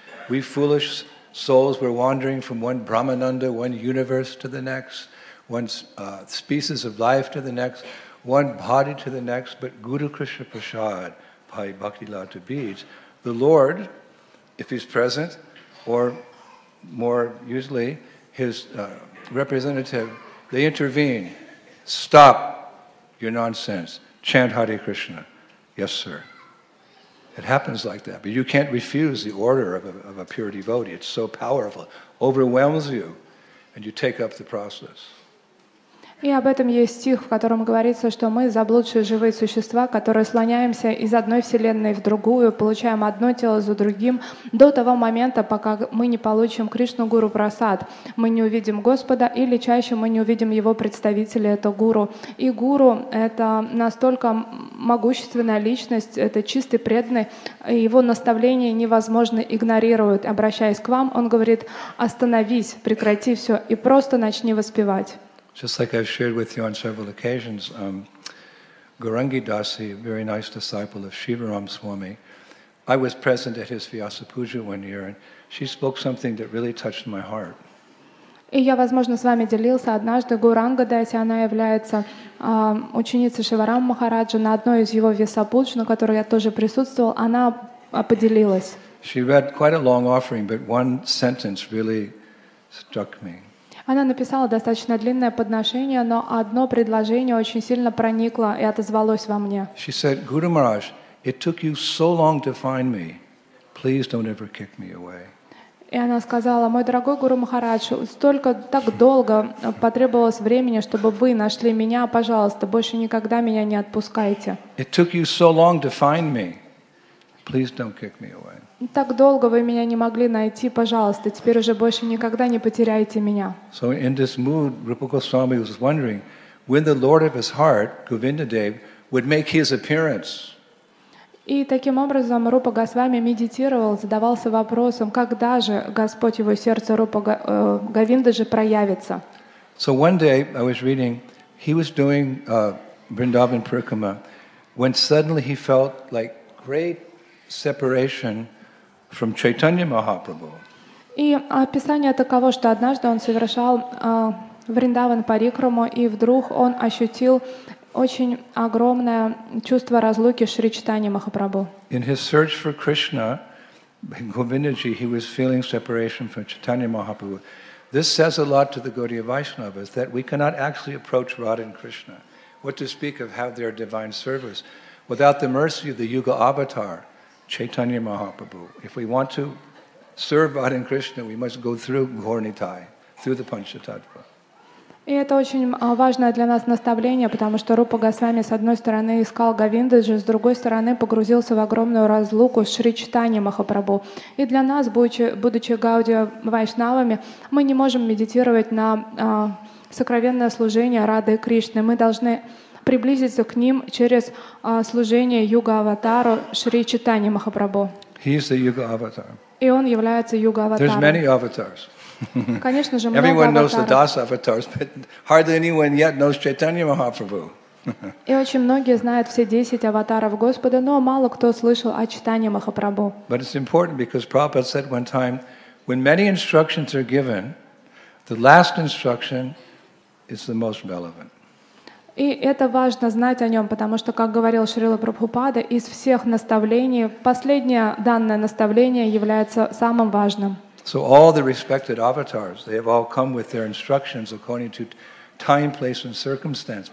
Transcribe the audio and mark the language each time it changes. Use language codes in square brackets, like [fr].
[en] We foolish souls were wandering from one Brahmananda, one universe to the next, one species of life to the next, one body to the next, but Guru Krishna Prasad, Bhai Bhakti Lata Beach, the Lord, if he's present, or more usually, his representative, they intervene. Stop your nonsense. Chant Hare Krishna. Yes, sir. It happens like that, but you can't refuse the order of a pure devotee. It's so powerful, overwhelms you, and you take up the process. [ru] И об этом есть стих, в котором говорится, что мы заблудшие живые существа, которые слоняемся из одной вселенной в другую, получаем одно тело за другим, до того момента, пока мы не получим Кришну Гуру Прасад. Мы не увидим Господа, или чаще мы не увидим Его представителя, это Гуру. И Гуру — это настолько могущественная личность, это чистый преданный, и Его наставления невозможно игнорировать. Обращаясь к вам, Он говорит: «Остановись, прекрати все и просто начни воспевать». [en] Just like I've shared with you on several occasions, Gaurangi Dasi, a very nice disciple of Shivaram Swami, I was present at his Vyasa Puja one year, and she spoke something that really touched my heart. [ru] И я, возможно, с вами делился однажды. Гуранга Даси, она является ученицей Шиварам Махараджа на одной из его Вьясапудж, на которой я тоже присутствовал. Она поделилась. [en] She read quite a long offering, but one sentence really struck me. [ru] Она написала достаточно длинное подношение, но одно предложение очень сильно проникло и отозвалось во мне. [en] She said, Guru Maharaj, it took you so long to find me. Please don't ever kick me away. [ru] И она сказала: мой дорогой Гуру Махарадж, столько, так долго потребовалось времени, чтобы вы нашли меня, пожалуйста, больше никогда меня не отпускайте. [en] It took you so long to find me. Please don't kick me away. [ru] Так долго вы меня не могли найти, пожалуйста, теперь уже больше никогда не потеряйте меня. [en] So in this mood, Rupa Goswami was wondering when the Lord of his heart, Govinda Dev, would make his appearance. [ru] И таким образом Рупа Госвами медитировал, задавался вопросом, когда же Господь его сердце Рупа Говинда же проявится. [en] So one day I was reading, he was doing Vrindavan Parikrama, when suddenly he felt like great separation from Chaitanya Mahaprabhu. [ru] И описание таково, что однажды он совершал Вриндаван Парикраму, и вдруг он ощутил очень огромное чувство разлуки с Шри Чайтаньей Махапрабху. [en] In his search for Krishna, Govindaji, he was feeling separation from Chaitanya Mahaprabhu. This says a lot to the Gaudiya Vaishnavas that we cannot actually approach Radha and Krishna. What to speak of how their divine service without the mercy of the Yuga Avatar, Chaitanya Mahaprabhu. If we want to serve Radha and Krishna, we must go through Ghor Nitai, through the Panchatattva. [ru] И это очень важное для нас наставление, потому что Рупа Госвами с одной стороны искал Говиндаджи, с другой стороны погрузился в огромную разлуку с Шри Чайтаньей Махапрабху. И для нас, будучи Гаудия Вайшнавами, мы не можем медитировать на сокровенное служение Рады и Кришны. Мы должны приблизиться к ним через служение Юга-Аватару Шри Чайтаньи Махапрабху. [en] He is the Yuga Avatar. [ru] И он является Юга-Аватаром. [en] There's many avatars. [ru] Конечно же, много [en] Everyone [ru] аватаров. [en] Knows the Das Avatars, but hardly anyone yet knows Chaitanya Mahaprabhu. [ru] И очень многие знают все 10 аватаров Господа, но мало кто слышал о Чайтанье Махапрабху. [en] But it's important because Prabhupada said one time, when many instructions are given, the last instruction is the most relevant. [ru] И это важно знать о нем, потому что, как говорил Шрила Прабхупада, из всех наставлений последнее данное наставление является самым важным. [en] So all the respected avatars, they have all come with their instructions according to time, place, and circumstance.